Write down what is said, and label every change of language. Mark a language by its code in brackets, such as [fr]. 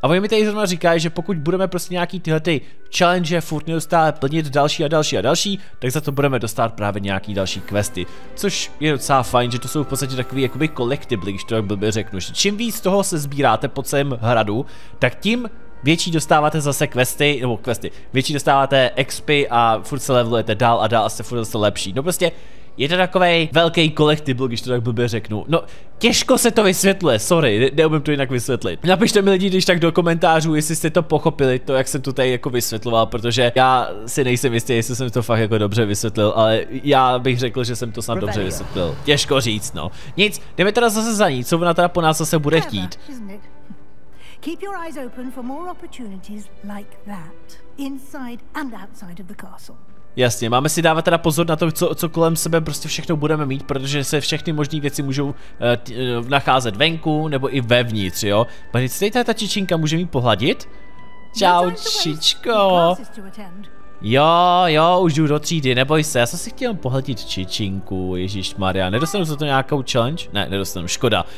[cs] A oni mi tady zrovna říkají, že pokud budeme prostě nějaký tyhle ty challenge furt neustále plnit další a další a další, tak za to budeme dostat právě nějaký další questy, což je docela fajn, že to jsou v podstatě takový jakoby collectible, když to tak blbě řeknu, že čím víc toho se sbíráte po celém hradu, tak tím větší dostáváte zase questy, nebo questy, větší dostáváte expy a furt se levelujete dál a dál a se furt zase lepší, no prostě je to takovej velký collectible, když to tak blbě řeknu, no těžko se to vysvětluje, sorry, neumím to jinak vysvětlit. Napište mi lidi, když tak do komentářů, jestli jste to pochopili, to jak jsem to tady jako vysvětloval, protože já si nejsem jistý, jestli jsem to fakt jako dobře vysvětlil, ale já bych řekl, že jsem to snad dobře vysvětlil. Těžko říct, no. Nic, jdeme teda zase za ní, co ona teda po nás zase bude chtít. [en] Keep your eyes open for more opportunities like that, inside and outside of the castle. [cs] Jasně, máme si dávat teda pozor na to, co kolem sebe prostě všechno budeme mít, protože se všechny možné věci můžou nacházet venku nebo i vevnitř, jo. Pane, co tady ta čičinka může mi pohladit? Čau, čičko. Jo, jo, už jdu do třídy, neboj se, já jsem si chtěl pohladit čičinku, ježišmarja, nedostanu za to nějakou challenge? Ne, nedostanu, škoda.